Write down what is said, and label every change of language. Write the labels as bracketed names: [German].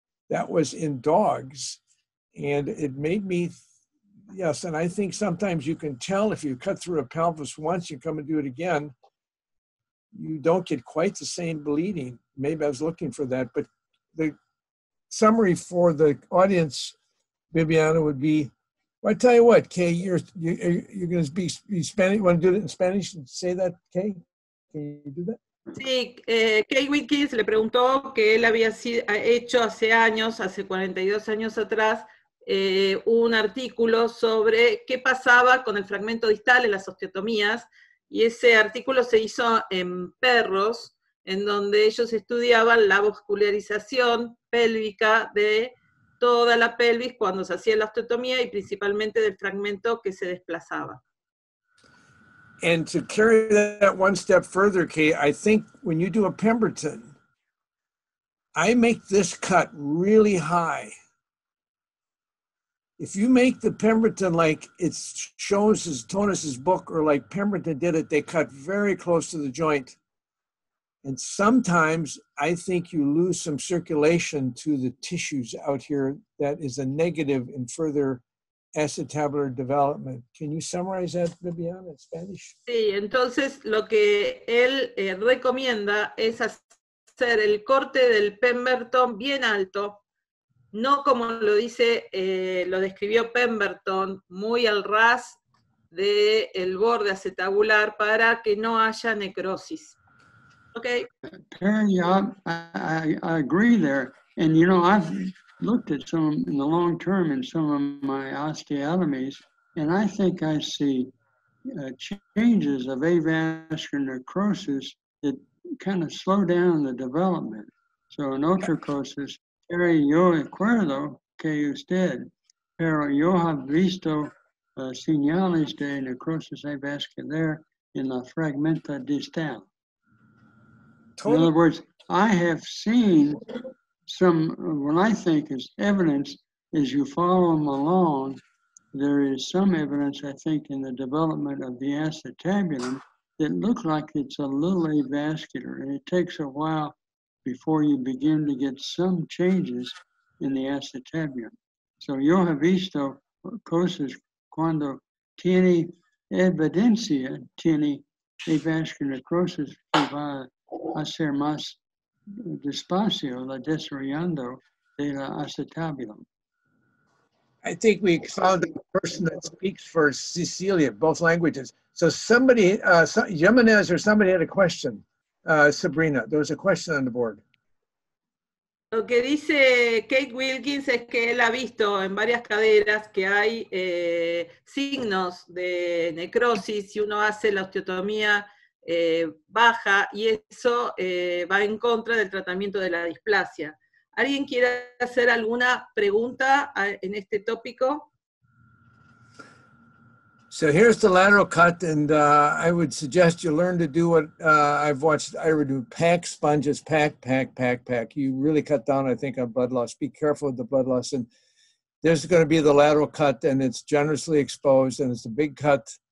[English] That was in dogs, and it made me, yes, and I think sometimes you can tell if you cut through a pelvis once, you come and do it again, you don't get quite the same bleeding. Maybe I was looking for that, but the summary for the audience, Bibiana, would be, well, I tell you what, Kay, you're going to be Spanish. Want to do it in Spanish and say that, Kay? Can you do that? [Spanish] Sí, Kay Wilkins le preguntó que él había hecho hace años, hace 42 años atrás, un artículo sobre qué pasaba con el fragmento distal en las osteotomías, y ese artículo se hizo en perros, en donde ellos estudiaban la vascularización pélvica de toda la pelvis cuando se hacía la osteotomía y principalmente del fragmento que se desplazaba. [English] And to carry that one step further, Kay, I think when you do a Pemberton, I make this cut really high. If you make the Pemberton like it shows his Tonus's book or like Pemberton did it, they cut very close to the joint. And sometimes I think you lose some circulation to the tissues out here that is a negative in further acetabular development. Can you summarize that, Bibiana, in Spanish? [Spanish] Sí, entonces lo que él recomienda es hacer el corte del Pemberton bien alto, no como lo dice, lo describió Pemberton, muy al ras del borde acetabular para que no haya necrosis. [English] Okay. Perry, I agree there. And you know, I've looked at some in the long term in some of my osteotomies, and I think I see changes of avascular necrosis that kind of slow down the development. So in ultracosis, [Spanish] Perry, yo recuerdo que usted, pero yo have visto señales de necrosis avascular in la fragmenta distal. [English] Totally. In other words, I have seen some, what I think is evidence, as you follow them along, there is some evidence, I think, in the development of the acetabulum that look like it's a little avascular, and it takes a while before you begin to get some changes in the acetabular. [Spanish] So yo he visto cosas cuando tiene evidencia, tiene avascular necrosis que va a hacer más despacio la desarrollando de la acetabula. [English] I think we found a person that speaks for Sicilia, both languages. So somebody, Jimenez or somebody had a question. Sabrina, there was a question on the board. [Spanish] Lo que dice Kate Wilkins es que él ha visto en varias caderas que hay signos de necrosis si uno hace la osteotomía baja y eso va en contra del tratamiento de la displasia. ¿Alguien quiere hacer alguna pregunta en este tópico? [English] So here's the lateral cut, and I would suggest you learn to do what I've watched Ira do, pack sponges, pack, pack, pack, pack. You really cut down, I think, on blood loss. Be careful with the blood loss. And there's going to be the lateral cut, and it's generously exposed, and it's a big cut.